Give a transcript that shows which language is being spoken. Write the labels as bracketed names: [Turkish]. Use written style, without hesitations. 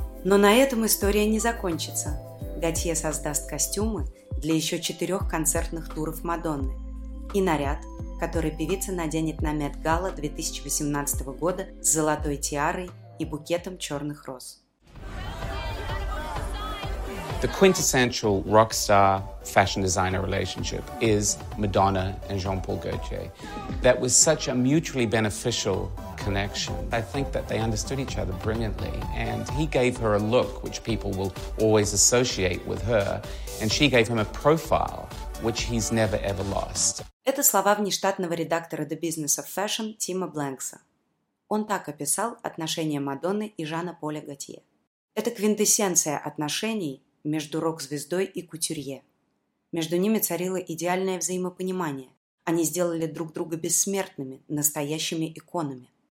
[Russian] Но на этом история не закончится. Готье создаст костюмы для еще 4 концертных туров Мадонны и наряд, который певица наденет на Мет-гала 2018 года с золотой тиарой и букетом черных роз. [English] The quintessential rock star fashion designer relationship is Madonna and Jean-Paul Gaultier. That was such a mutually beneficial connection. I think that they understood each other brilliantly, and he gave her a look which people will always associate with her, and she gave him a profile which he's never ever lost. [Russian] Это слова внештатного редактора The Business of Fashion Тима Бланкса. Он так описал отношения Мадонны и Жана Поля Готье. Это квинтэссенция отношений между рок-звездой и кутюрье. Между ними царило идеальное взаимопонимание. Они сделали друг друга бессмертными, настоящими иконами.